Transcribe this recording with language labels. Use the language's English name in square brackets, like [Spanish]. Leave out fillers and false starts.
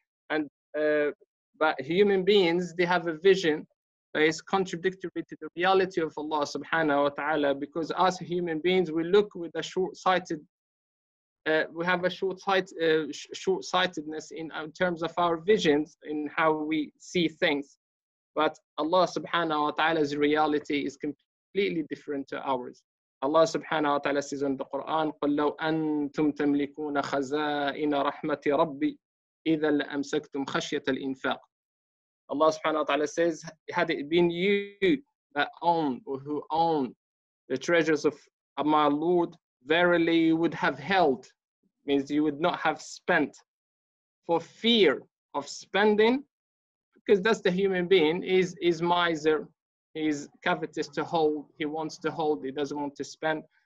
[English] And but human beings, they have a vision that is contradictory to the reality of Allah subhanahu wa ta'ala, because as human beings, we look with a short-sighted we have a short-sightedness in terms of our visions in how we see things. But Allah subhanahu wa ta'ala's reality is completely different to ours. [Arabic] Allah subhanahu wa ta'ala says in the Quran, قُلْ لَوْ أَنْتُمْ تَمْلِكُونَ خَزَائِنَ رَحْمَةِ رَبِّي إِذَا لَأَمْسَكْتُمْ خَشْيَةَ الْإِنْفَاقِ. [English] Allah subhanahu wa ta'ala says, had it been you that own or who own the treasures of my Lord, verily you would have held, means you would not have spent for fear of spending, because that's the human being, is miser, he's covetous to hold, he wants to hold, he doesn't want to spend.